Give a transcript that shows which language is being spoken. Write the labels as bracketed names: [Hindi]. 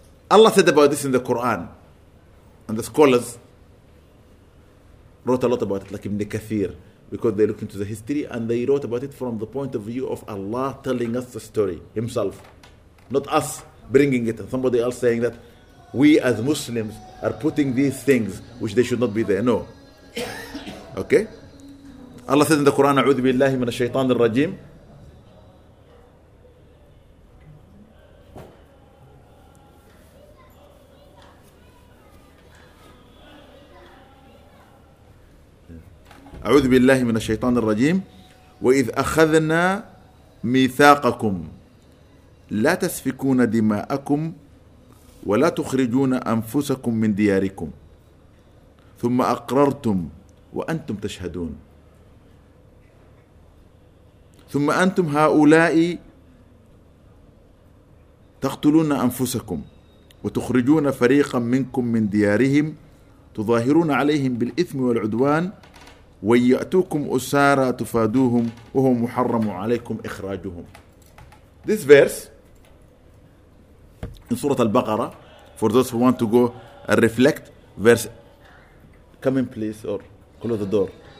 [English] Allah said about this in the Quran, and the scholars wrote a lot about it, like Ibn Kathir, because they looked into the history, and they wrote about it from the point of view of Allah telling us the story himself, not us bringing it, and somebody else saying that we as Muslims are putting these things which they should not be there. No. Okay? Allah says in the Quran, [Arabic] أعوذ بالله من الشيطان الرجيم. أعوذ بالله من الشيطان الرجيم. وإذ أخذنا ميثاقكم لا تسفكون دماءكم ولا تخرجون أنفسكم من دياركم ثم أقررتم وأنتم تشهدون. ثم أنتم هؤلاء تقتلون أنفسكم وتخرجون فريقا منكم من ديارهم تظاهرون عليهم بالإثم والعدوان ويأتوكم أسارى تفادوهم وهو محرم عليكم إخراجهم. [English] This verse in سورة البقرة, for those who want to go and reflect, verse, come in please or close the door.